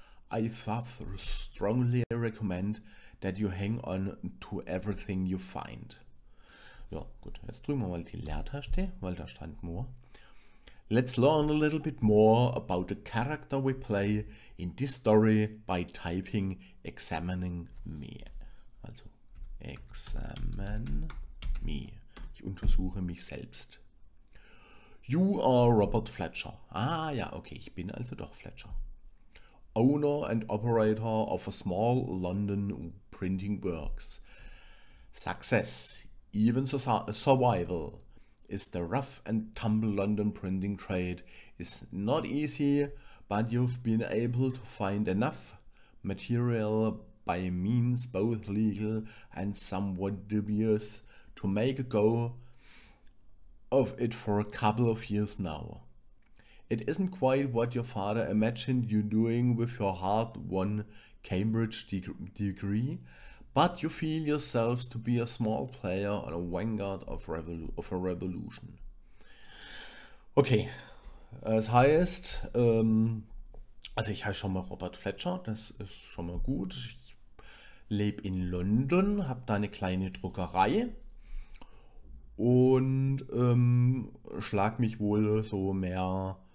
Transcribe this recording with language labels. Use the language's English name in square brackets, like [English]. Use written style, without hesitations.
[English] I thus strongly recommend that you hang on to everything you find. [German] Ja, gut, jetzt drücken wir mal die Leertaste, weil da stand more. [English] Let's learn a little bit more about the character we play in this story by typing examining me. Also, examine me. [German] Ich untersuche mich selbst. [English] You are Robert Fletcher. [German] Ah ja, okay, ich bin also doch Fletcher. [English] Owner and operator of a small London printing works. Success, even survival. Is the rough and tumble London printing trade is not easy, but you've been able to find enough material by means both legal and somewhat dubious to make a go of it for a couple of years now. It isn't quite what your father imagined you doing with your hard-won Cambridge degree, but you feel yourselves to be a small player on a vanguard of a revolution. [German] Okay, das heißt, also ich heiße schon mal Robert Fletcher, das ist schon mal gut. Ich lebe in London, habe da eine kleine Druckerei und schlag mich wohl so mehr